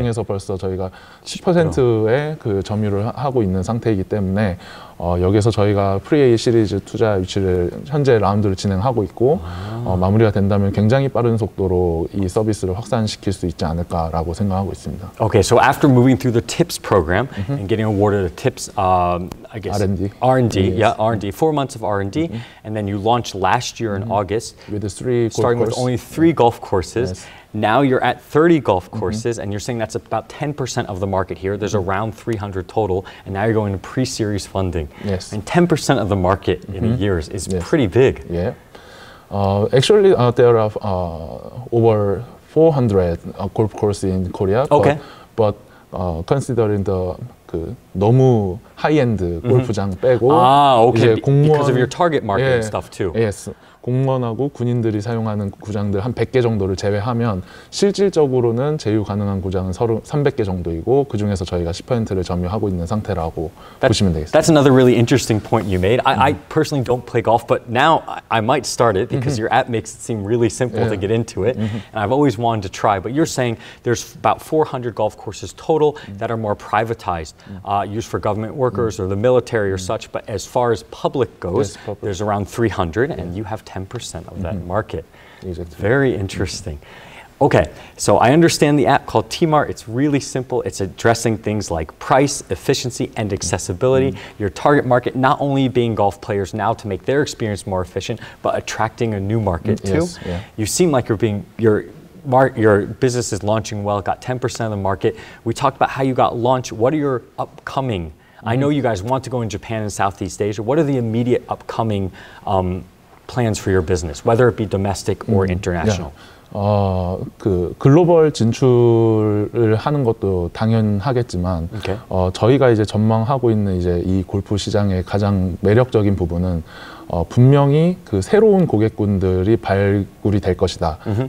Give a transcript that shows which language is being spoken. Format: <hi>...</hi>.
<ko>중에서 벌써 저희가 10%의 그 점유를 하고 있는 상태이기 때문에 여기서 저희가 프리에이 시리즈 투자 위치를 현재 라운드를 진행하고 있고 마무리가 된다면 굉장히 빠른 속도로 이 서비스를 확산시킬 수 있지 않을까라고 생각하고 있습니다.</ko> <en>Okay, so after moving through the TIPS program mm-hmm. and getting awarded a TIPS, I guess R&D. R&D, yes. yeah, R&D. 4 months of R&D, mm-hmm. and then you launched last year in mm-hmm. August with the three golf starting course. With only three mm-hmm. golf courses. Yes. Now you're at 30 golf courses, mm-hmm. and you're saying that's about 10% of the market here. There's mm-hmm. around 300 total, and now you're going to pre-series funding. Yes. And 10% of the market mm-hmm. in a year is yes. pretty big. Yeah. Actually, there are over 400 golf courses in Korea. Okay. But considering the</en> <ko>그 너무 하이엔드 골프장 mm-hmm. 빼고</ko> <en>아, okay.</en> <ko>이제 공무원</ko> <en>because of your target market 예, and stuff too. Yes.</en> <ko>공무원하고 군인들이 사용하는 구장들 한 100개 정도를 제외하면 실질적으로는 제휴 가능한 구장은 300개 정도이고 그 중에서 저희가 10%를 점유하고 있는 상태라고</ko> <en>that,</en> <ko>보시면 되겠어요.</ko> <en>That's another really interesting point you made. I personally don't play golf, but now I might start it because mm-hmm. your app makes it seem really simple yeah. to get into it. Mm-hmm. And I've always wanted to try, but you're saying there's about 400 golf courses total mm-hmm. that are more privatized, mm-hmm. Used for government workers mm-hmm. or the military or mm-hmm. such. But as far as public goes, yes, public. There's around 300 yeah. and you have 10% of that mm-hmm. market. Exactly. Very interesting. Mm-hmm. Okay, so I understand the app called T-Mart. It's really simple. It's addressing things like price, efficiency, and accessibility. Mm-hmm. Your target market not only being golf players now to make their experience more efficient, but attracting a new market too. Yes, yeah. You seem like you're being your business is launching well. Got 10% of the market. We talked about how you got launched. What are your upcoming? Mm-hmm. I know you guys want to go in Japan and Southeast Asia. What are the immediate upcoming plans for your business, whether it be domestic or international? Yeah.</en> <ko>글로벌 진출을 하는 것도 당연하겠지만,</ko> <en>okay.</en> <ko>저희가 이제 전망하고 있는 이제 이 골프 시장의 가장 매력적인 부분은, 분명히 그 새로운 고객군들이 발굴이 될 것이다. Mm-hmm.</ko>